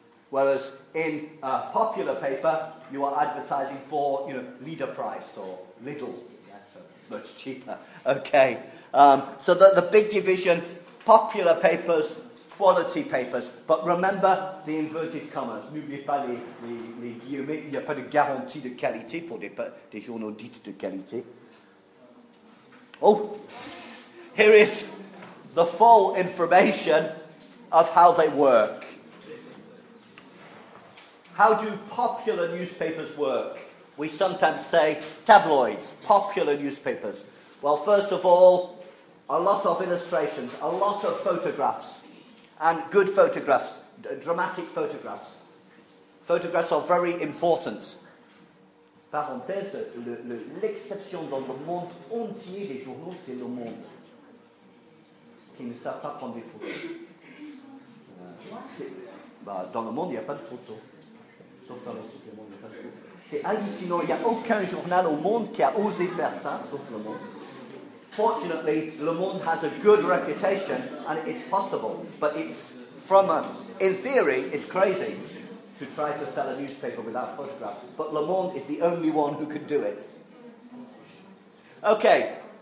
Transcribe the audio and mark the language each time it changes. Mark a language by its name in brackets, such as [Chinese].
[English] Whereas in a popular paper, you are advertising for, you know, Leader Price or Lidl. That's much cheaper. Okay. So the big division, popular papers, quality papers. But remember the inverted commas. [French] N'oubliez pas les guillemets. Il n'y a pas de garantie de qualité pour des journaux dits de qualité. [English] Oh, here is the full information of how they work. How do popular newspapers work? We sometimes say tabloids, popular newspapers. Well, first of all, a lot of illustrations, a lot of photographs, and good photographs, dramatic photographs. Photographs are very important. [French] Parenthèse, l'exception dans le monde entier des journaux, c'est Le Monde, qui ne savent pas prendre des photos. Dans Le Monde, il n'y a pas de photos. Sauf dans Le Supplément, il n'y a pas de photos. C'est hallucinant, il n'y a aucun journal au monde qui a osé faire ça, sauf Le Monde. [English] Fortunately, Le Monde has a good reputation, and it's possible. But it's in theory, it's crazy to try to sell a newspaper without photographs. But Le Monde is the only one who could do it. Okay.